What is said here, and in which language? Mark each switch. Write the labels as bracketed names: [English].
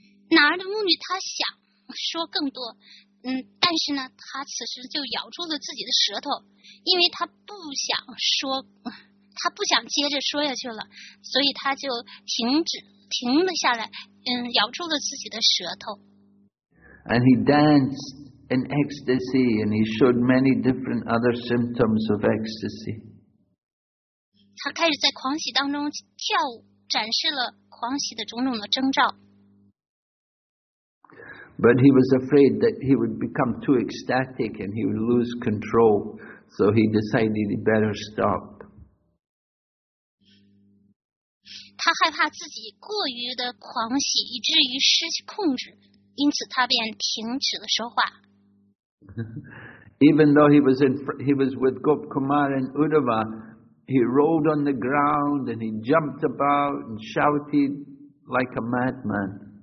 [Chinese] Narada Muni 他想说更多，但是呢，他此时就咬住了自己的舌头，因为他不想说，他不想接着说下去了，所以他就停了下来，咬住了自己的舌头。 [English] And he danced in ecstasy, and he showed many different other symptoms of ecstasy. [Chinese] 他开始在狂喜当中跳舞，展示了狂喜的种种的征兆。 [English] But he was afraid that he would become too ecstatic and he would lose control, so he decided he better stop. [Chinese] 他害怕自己过于的狂喜，以至于失去控制，因此他便停止了说话。 [English] Even though he was with Gop Kumar and Uddhava, he rolled on the ground and he jumped about and shouted like a madman.